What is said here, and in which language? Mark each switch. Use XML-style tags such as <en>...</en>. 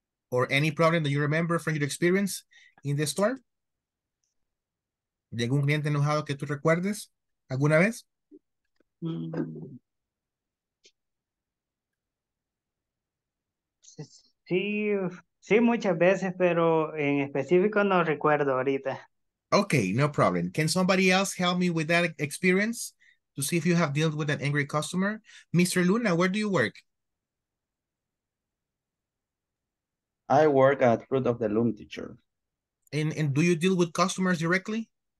<en>Or any problem that you remember from your experience in the store?</en> <es>¿De algún cliente enojado que tú recuerdes alguna vez? Sí, muchas veces, pero en específico no recuerdo ahorita.</es> <en>Okay, no problem. Can somebody else help me with that experience? To see if you have dealt with an angry customer. Mr. Luna, where do you work? I work at Fruit of the Loom Teacher. And do you deal with customers directly?</en>